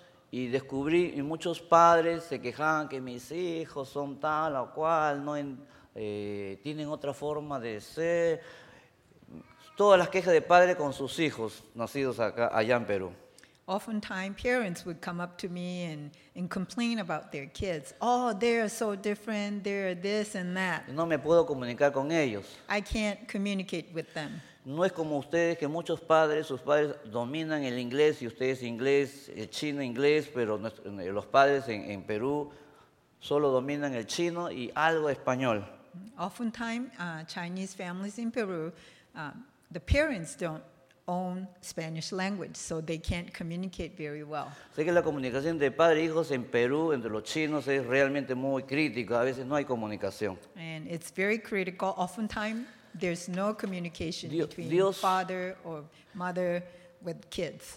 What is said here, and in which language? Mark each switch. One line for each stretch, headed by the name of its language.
Spanish: Y muchos padres se quejaban que mis hijos son tal o cual, tienen otra forma de ser. Todas las quejas de padres con sus hijos nacidos acá, allá en Perú.
English: Oftentimes, parents would come up to me and complain about their kids. Oh, they're so different, they're this and that.
Spanish: No me puedo comunicar con ellos.
English: I can't communicate with them.
Spanish: No es como ustedes, que muchos padres, sus padres dominan el inglés, y ustedes inglés, el chino inglés, pero los padres en Perú solo dominan el chino y algo español.
English: Oftentimes, Chinese families in Peru, the parents don't own Spanish language, so they can't communicate very well.
Spanish: Sé que la comunicación de padre e hijos en Perú entre los chinos es realmente muy crítica. A veces no hay comunicación.
English: And it's very critical. Oftentimes, there's no communication between father or mother with kids.